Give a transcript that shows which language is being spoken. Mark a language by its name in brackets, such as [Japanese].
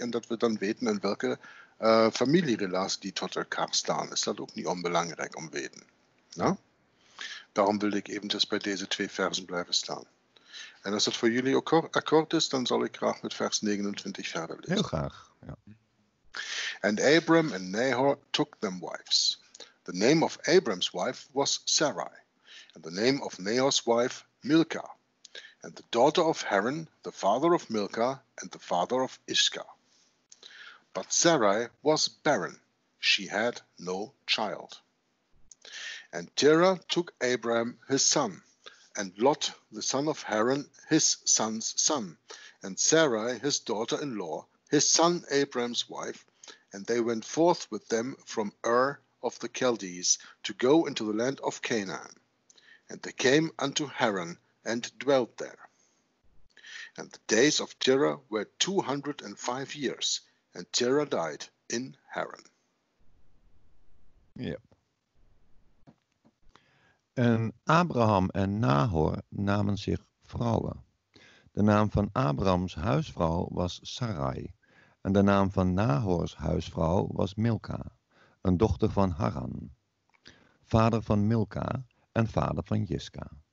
[Dutch] En dat we dan weten in welke familierelatie die tot elkaar staan. Is dat ook niet onbelangrijk om weten. Ja? Daarom wil ik eventjes bij deze twee versen blijven staan. En als dat voor jullie ook akkoord is, dan zal ik graag met vers 29 verder lezen. Heel graag. Ja. [English] And Abram and Nahor took them wives. The name of Abram's wife was Sarai, and the name of Nahor's wife Milcah, and the daughter of Haran, the father of Milcah, and the father of Iscah. But Sarai was barren. She had no child. And Terah took Abram his son, and Lot the son of Haran his son's son, and Sarai his daughter-in-law, his son Abram's wife, and they went forth with them from Ur of the Chaldees to go into the land of Canaan. And they came unto Haran and dwelt there. and the days of Terah were 205 years, and Terah died in Haran. Yep. [Dutch] En Abraham en Nahor namen zich vrouwen. De naam van Abrahams huisvrouw was Sarai, en de naam van Nahors huisvrouw was Milka, een dochter van Haran, vader van Milka en vader van Jiska.